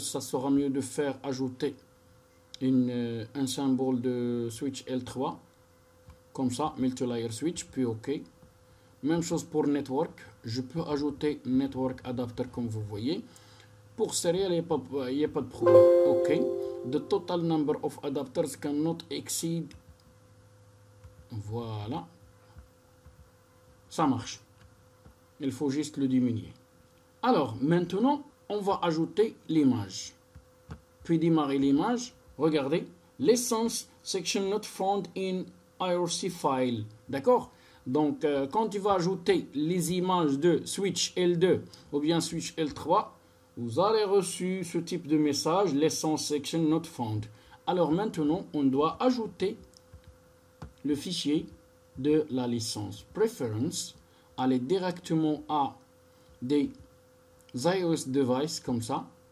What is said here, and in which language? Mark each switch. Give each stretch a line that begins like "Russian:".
French: Ça sera mieux de faire ajouter un symbole de switch L3. Comme ça. Multi-layer switch. Puis OK. Même chose pour Network, je peux ajouter Network Adapter comme vous voyez. Pour Serial, il n'y a pas de problème. OK.
English: The total number of adapters cannot exceed.
French: Voilà. Ça marche. Il faut juste le diminuer. Alors, maintenant, on va ajouter l'image. Puis démarrer l'image. Regardez.
English: License section not found in IRC file.
French: D'accord? Donc, quand tu vas ajouter les images de switch L2 ou bien switch L3, vous aurez reçu ce type de message,
English: License Section Not Found.
French: Alors maintenant, on doit ajouter le fichier de la licence Preference, aller directement à des iOS Devices comme ça.